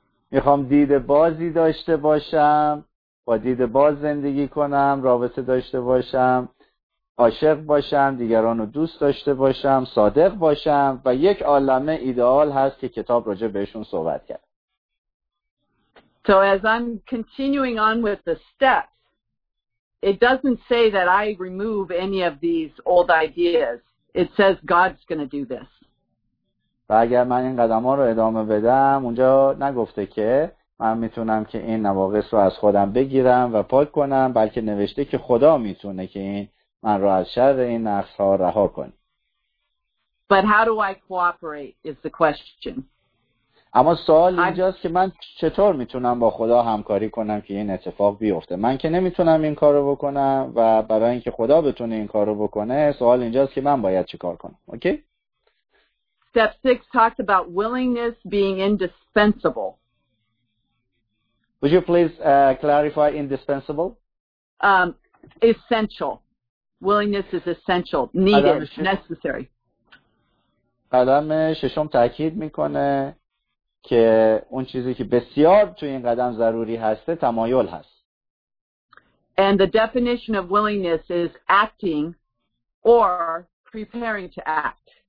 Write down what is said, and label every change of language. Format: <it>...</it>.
<fa>میخوام دید بازی داشته باشم، با دید باز زندگی کنم، رابطه داشته باشم، عاشق باشم، دیگران رو دوست داشته باشم، صادق باشم و یک عالمه ایدئال هست که کتاب راجع بهشون صحبت کرد.</fa> <en>So as I'm continuing on with the steps, it doesn't say that I remove any of these old ideas. It says God's going to do this.</en> <fa>و اگر من این قدم ها رو ادامه بدم، اونجا نگفته که من میتونم که این نواقص رو از خودم بگیرم و پاک کنم، بلکه نوشته که خدا میتونه که این من رو از شر این نقص ها رها کنه.</fa> <en>But how do I cooperate is the question.</en> <fa>اما سوال اینجاست که من چطور میتونم با خدا همکاری کنم که این اتفاق بیفته؟ من که نمیتونم این کارو بکنم و برای اینکه خدا بتونه این کارو بکنه، سوال اینجاست که من باید چیکار کنم؟ اوکی؟</fa> <en>Step 6 talks about willingness being indispensable. Would you please clarify indispensable? Essential. Willingness is essential, needed, necessary.</en> <fa>قدم ششم تاکید میکنه که اون چیزی که بسیار توی این قدم ضروری هست تمایل هست.</fa> <en>And the definition of willingness is acting or preparing to act.</en>